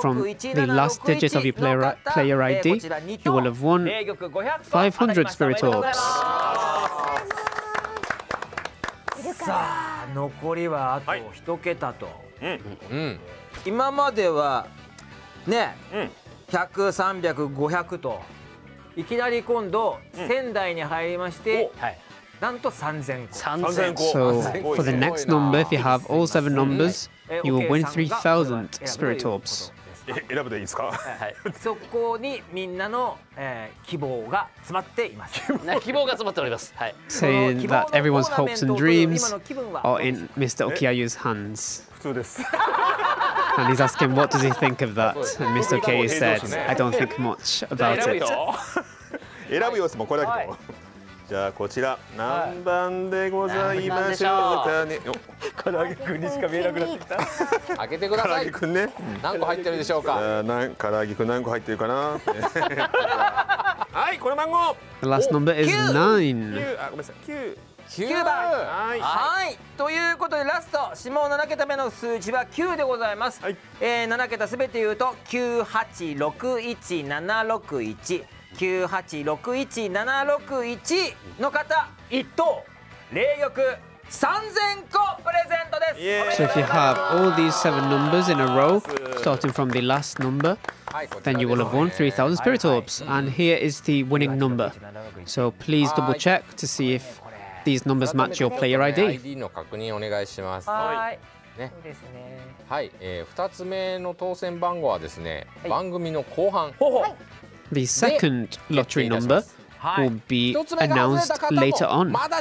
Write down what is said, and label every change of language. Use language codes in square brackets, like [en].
[en] 86167 starting from the last digit of your player ID, you will have won 500 spirit orbs。 [ja] さあ残りはあと1桁と、はい、今まではね、100、300、500といきなり今度仙台に入りまして、なんと3000個。 [en] So for the next number, if you have all 7 numbers, you will win 3000 spirit orbs。 [ja] 選ぶでいいですか。そこにみんなの希望が詰まっています。希望が詰まっております。はい、 [en] saying that everyone's hopes and dreams are in Mr. Okiyayu's hands。 [ja] 普通です。 [en] And he's asking what does he think of that, and Mr. Okiyayu said I don't think much about it。 [ja] 選ぶよ。もうこれだけ。じゃあこちら何番でございましょう。唐揚げくんにしか見えなくなってきた。開けてください。唐揚げくんね、何個入ってるでしょうか。唐揚げくん何個入ってるかな。はい、この番号。 [en] The last number is 9。 [ja] 9番。はい、ということでラスト下7桁目の数字は9でございます。 7桁すべて言うと9861761、9861761の方、1等霊玉3000個プレゼントです。 [en] So if you have all these 7 numbers in a row starting from the last number、then you will have won 3000 spirit orbs、and here is the winning number。 So please double check to see if these numbers match your player ID。 [ja] ID の確認お願いします。はい、ね、はい、2つ目の当選番号はですね、番組の後半。ほほ。 [en] The second lottery number will be announced later on.